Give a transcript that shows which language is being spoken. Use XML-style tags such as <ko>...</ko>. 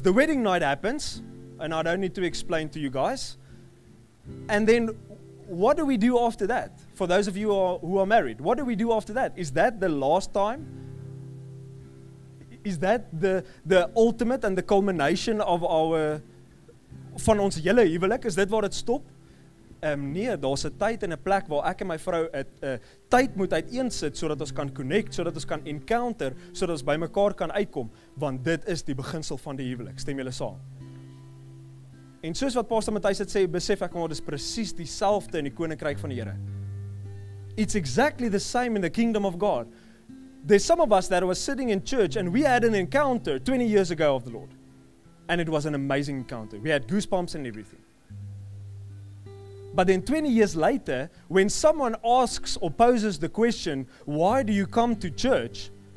<en>The wedding night happens, and I don't need to explain to you guys. And then, what do we do after that? For those of you who are married, what do we do after that? Is that the last time? Is that the ultimate and the culmination of our...</en> <af>van ons hele huwelik?</af> <en>Is that</en> <af>waar it stop? Nee, daar's 'n tyd en 'n plek waar ek en my vrou 'n tyd moet uiteensit sodat ons kan connect, sodat ons kan encounter, sodat ons by mekaar kan uitkom, want dit is die beginsel van die huwelik. Stem julle saam? En soos wat Pastor Matthijs het sê, besef ek maar dis presies dieselfde in die koninkryk van die Here.</af> <en>It's exactly the same in the kingdom of God. There's some of us that were sitting in church and we had an encounter 20 years ago of the Lord. And it was an amazing encounter. We had goosebumps and everything. But then 20 years later, when someone asks or poses the question, why do you come to church?</en>